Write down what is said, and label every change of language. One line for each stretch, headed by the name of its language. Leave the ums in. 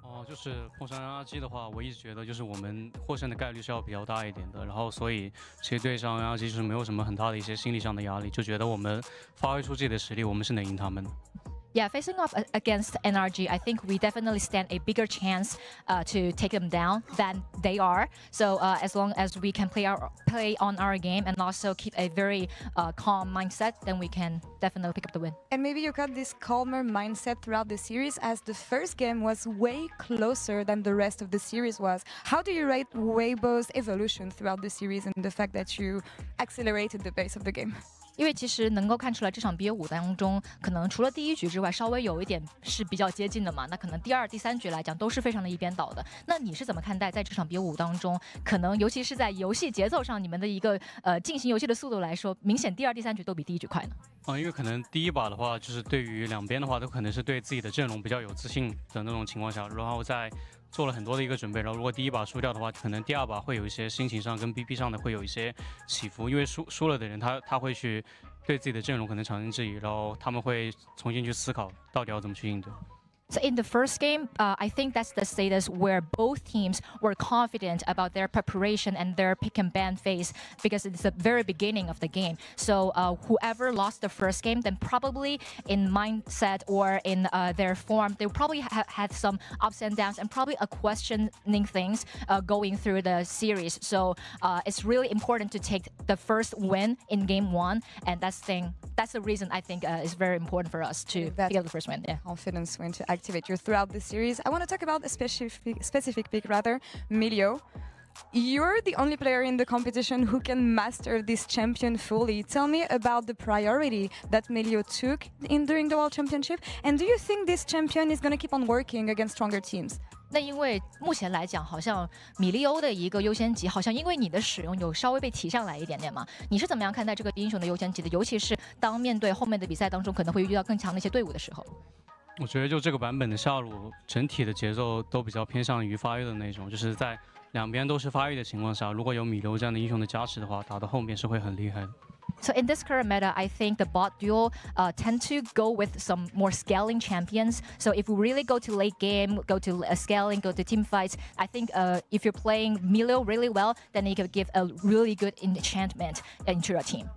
Chinese: 哦，就是碰上 RNG 的话，我一直觉得就是我们获胜的概率是要比较大一点的。然后，所以其实对上 RNG 是没有什么很大的一些心理上的压力，就觉得我们发挥出自己的实力，我们是能赢他们的。
English: Yeah, facing off against NRG, I think we definitely stand a bigger chance uh, to take them down than they are. So uh, as long as we can play our play on our game and also keep a very uh, calm mindset, then we can definitely pick up the win. And maybe you got this calmer mindset throughout the series as the first game was way closer than the rest of the series was. How do you rate Weibo's evolution throughout the series and the fact that you accelerated the pace of the game?
Chinese: 因为其实能够看出来，这场比武当中，可能除了第一局之外，稍微有一点是比较接近的嘛。那可能第二、第三局来讲都是非常的一边倒的。那你是怎么看待在这场比武当中，可能尤其是在游戏节奏上，你们的一个呃进行游戏的速度来说，明显第二、第三局都比第一局快呢、嗯？啊，因为可能第一把的话，就是对于两边的话，都可能是对自己的阵容比较有自信的那种情况下，然后在。做了很多的一个准备，然后如果第一把输掉的话，可能第二把会有一些心情上跟 BP 上的会有一些起伏，因为输输了的人他他会去对自己的阵容可能产生质疑，然后他们会重新去思考到底要怎么去应对。
English: So in the first game, uh, I think that's the status where both teams were confident about their preparation and their pick and ban phase because it's the very beginning of the game. So uh, whoever lost the first game, then probably in mindset or in uh, their form, they probably ha had some ups and downs and probably questioning things going through the series. So it's really important to take the first win in game one. And that's, thing, that's the reason I think uh, is very important for us to get the first win. Yeah. Confidence win. Activator throughout the series. I want to talk about a specific specific pick rather, m i l i o You're the only player in the competition who can master this champion fully. Tell me about the priority that m i l i o took in during the World Championship. And do you think this champion is g o i n g to keep on working against stronger teams?
Chinese: 那因为目前来讲，好像米利欧的一个优先级好像因为你的使用有稍微被提上来一点点嘛。你是怎么样看待这个英雄的优先级的？尤其是当面对后面的比赛当中可能会遇到更强的一些队伍的时候。我觉得就这个版本的下路，整体的节奏都比较偏向于发育的那种，就是在两边都是发育的情况下，如果有米流这样的英雄的加持的话，打到后面是会很厉害。的。
English: So in this current meta, I think the bot duo uh, tend to go with some more scaling champions. So if we really go to late game, go to uh, scaling, go to team fights, I think uh, if you're playing Milo really well, then you can give a really good enchantment into your team.